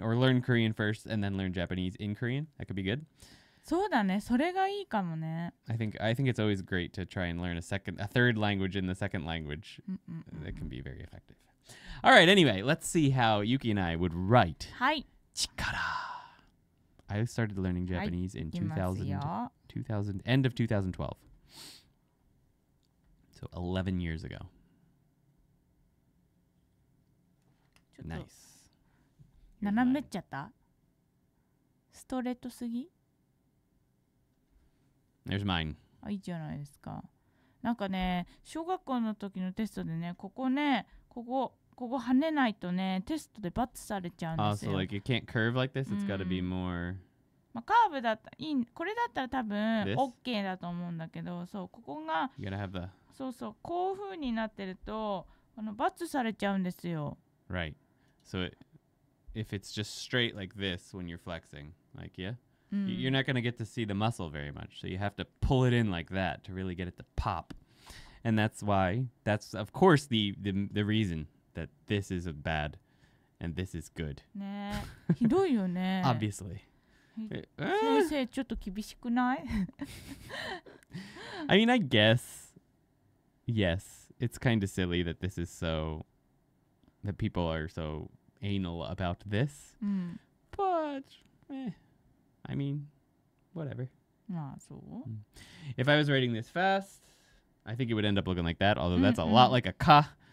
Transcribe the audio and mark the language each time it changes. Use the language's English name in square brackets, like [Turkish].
[English] Or learn Korean first, and then learn Japanese in Korean. That could be good. [Japanese] そうだね。それがいいかもね。 [English] I think it's always great to try and learn a third language in the second language. That can be very effective. All right, anyway, let's see how Yuki and I would write. [Japanese] はい。力。 [English] I started learning Japanese in 2000, end of 2012. So 11 years ago. Nice. [Japanese] 斜めっちゃった?ストレートすぎ? [English] There's mine. [Japanese] いいじゃないですか。なんかね、小学校の時のテストでね、 ここ跳ねないとね、 テストでバツされちゃうんですよ。 [English] So like you can't curve like this? It's gotta be more... [Japanese] カーブだったら、 これだったら多分OKだと思うんだけど、 そう、ここが... [English] You gotta have the... [Japanese] そうそう。こういう風になってると、 罰されちゃうんですよ。 [English] Right. So if it's just straight like this when you're flexing, like yeah, you're not going to get to see the muscle very much. So you have to pull it in like that to really get it to pop. And that's why, that's of course the reason that this is bad and this is good. [Japanese] ね。ひどいよね。 [English] Obviously. [Japanese] 先生、ちょっと厳しくない? [English] I mean, I guess... Yes, it's kind of silly that this is so, that people are so anal about this. But much. Eh, I mean, whatever. [Japanese] まあそう. [English] If I was writing this fast, I think it would end up looking like that, although that's a lot like a ka.